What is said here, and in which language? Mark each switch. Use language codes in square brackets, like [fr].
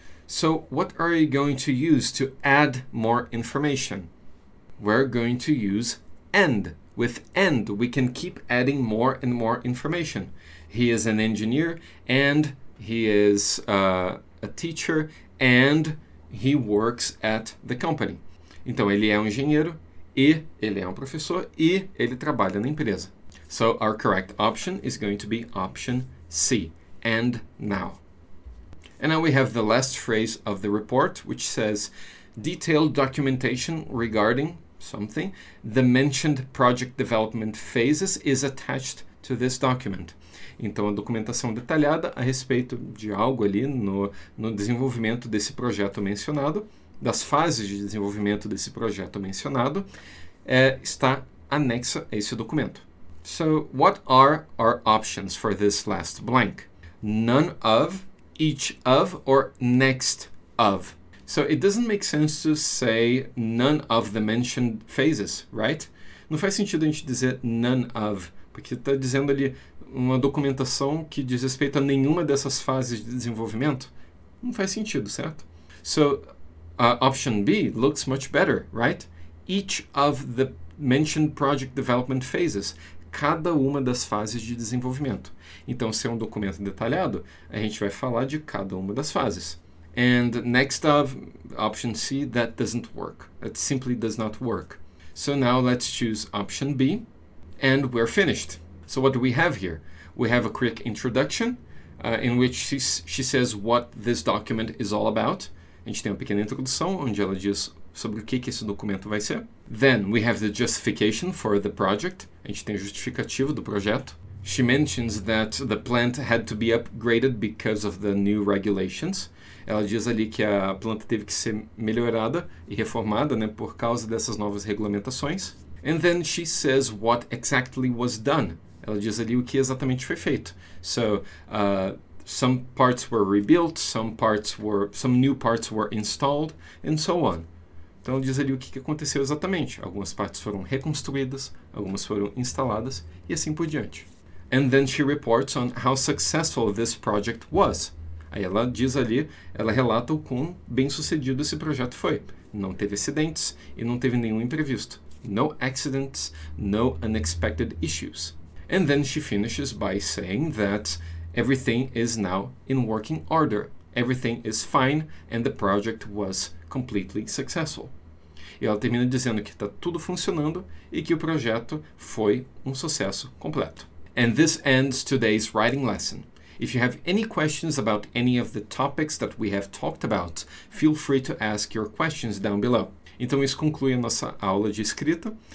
[en] So, what are you going to use to add more information? We're going to use and. With and, we can keep adding more and more information. He is an engineer, and he is a teacher, and he works at the company. [pt] Então, ele é um engenheiro, e ele é um professor, e ele trabalha na empresa. [en] So, our correct option is going to be option C, and now. And now we have the last phrase of the report, which says, detailed documentation regarding something, the mentioned project development phases is attached to this document. [pt] Então, a documentação detalhada a respeito de algo ali no desenvolvimento desse projeto mencionado, das fases de desenvolvimento desse projeto mencionado, está anexa a esse documento. [en] So, what are our options for this last blank? None of, each of, or next of? So, it doesn't make sense to say none of the mentioned phases, right? [pt] Não faz sentido a gente dizer none of, porque está dizendo ali uma documentação que diz respeito a nenhuma dessas fases de desenvolvimento. Não faz sentido, certo? [en] So, option B looks much better, right? Each of the mentioned project development phases. [pt] Cada uma das fases de desenvolvimento. Então, se é um documento detalhado, a gente vai falar de cada uma das fases. [en] And next of, option C, that doesn't work. That simply does not work. So now let's choose option B, and we're finished. So what do we have here? We have a quick introduction in which she says what this document is all about. [pt] A gente tem uma pequena introdução onde ela diz sobre o que esse documento vai ser. [en] Then we have the justification for the project. [pt] A gente tem a justificativa do projeto. [en] She mentions that the plant had to be upgraded because of the new regulations. [pt] Ela diz ali que a planta teve que ser melhorada e reformada, né, por causa dessas novas regulamentações. [en] And then she says what exactly was done. [pt] Ela diz ali o que exatamente foi feito. [en] So, some parts were rebuilt, some new parts were installed, and so on. [pt] Então ela diz ali o que aconteceu exatamente. Algumas partes foram reconstruídas, algumas foram instaladas, e assim por diante. [en] And then she reports on how successful this project was. [pt] Aí ela diz ali, ela relata o quão bem sucedido esse projeto foi. Não teve acidentes e não teve nenhum imprevisto. [en] No accidents, no unexpected issues. And then she finishes by saying that everything is now in working order. Everything is fine and the project was completely successful. [pt] E ela termina dizendo que está tudo funcionando e que o projeto foi um sucesso completo. [en] And this ends today's writing lesson. If you have any questions about any of the topics that we have talked about, feel free to ask your questions down below. [pt] Então isso conclui a nossa aula de escrita.